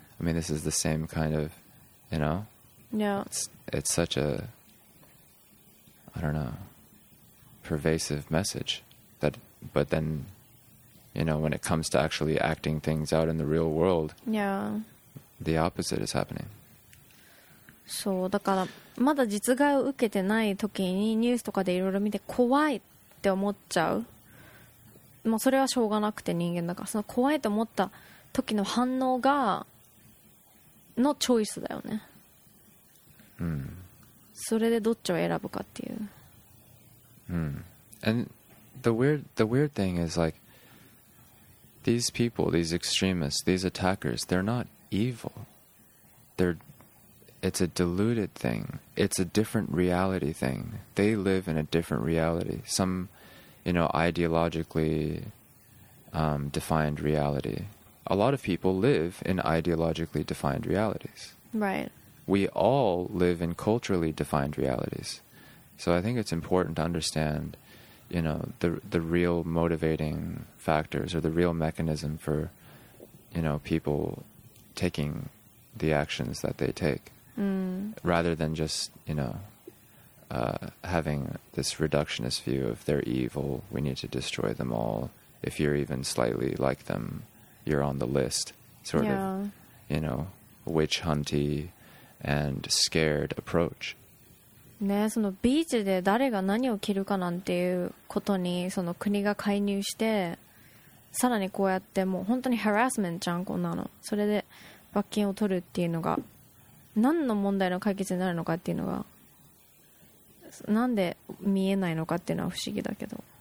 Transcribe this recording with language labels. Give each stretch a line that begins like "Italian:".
English: I mean, this is the same kind of, you know? Yeah. It's such a, I don't know, pervasive message that, but then... You know, when it comes to actually acting things out in the real world, yeah. the opposite is happening.
Japanese: そう、だからまだ実害を受けてない時にニュースとかでいろいろ見て怖いって思っちゃう。もうそれはしょうがなくて、人間だから。その怖いと思った時の反応がのチョイスだよね。それでどっちを選ぶかっていう。
English: And the weird thing is like,These people, these extremists, these attackers, they're not evil. It's a deluded thing. It's a different reality thing. They live in a different reality. Some, you know, ideologically, defined reality. A lot of people live in ideologically defined realities. Right. We all live in culturally defined realities. So I think it's important to understand... You know, the real motivating factors or the real mechanism for, you know, people taking the actions that they take、rather than just, you know,、having this reductionist view of they're evil, we need to destroy them all. If you're even slightly like them, you're on the list. Sort、 yeah. of, you know, witch hunty and scared approach.
Japanese: ね、そのビーチで誰が何を着るかなんていうことにその国が介入して、さらにこうやってもう本当にハラスメントじゃんこんなの、それで罰金を取るっていうのが何の問題の解決になるのかっていうのがなんで見えないのかっていうのは不思議だけど、